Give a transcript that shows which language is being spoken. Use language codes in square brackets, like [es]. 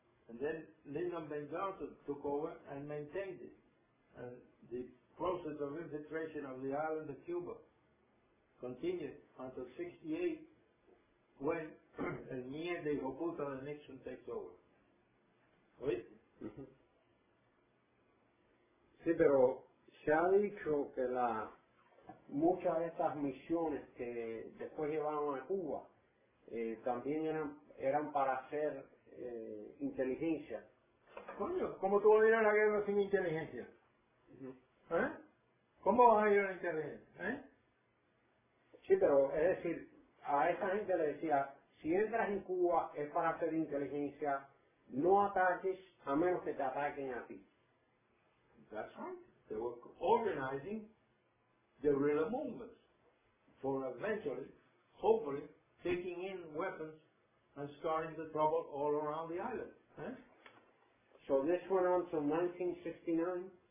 [en] And then Lyndon Baines Johnson took over and maintained it. And the process of infiltration of the island of Cuba continued until 68 when [es] El Mierda Hijo Puta de [en] Nixon takes over. [es] Sí, pero se ha dicho que muchas de estas misiones que después llevaron a Cuba también eran para hacer inteligencia. Coño, ¿cómo tú vas a ir a la guerra sin inteligencia? ¿Eh? ¿Cómo vas a ir a la inteligencia? ¿Eh? Sí, pero es decir, a esa gente le decía, si entras en Cuba es para hacer inteligencia. No ataques a menos que te ataquen a ti. [en] That's right. They were organizing the guerrilla movements for eventually, hopefully, taking in weapons and starting the trouble all around the island. Eh? So this went on from 1969?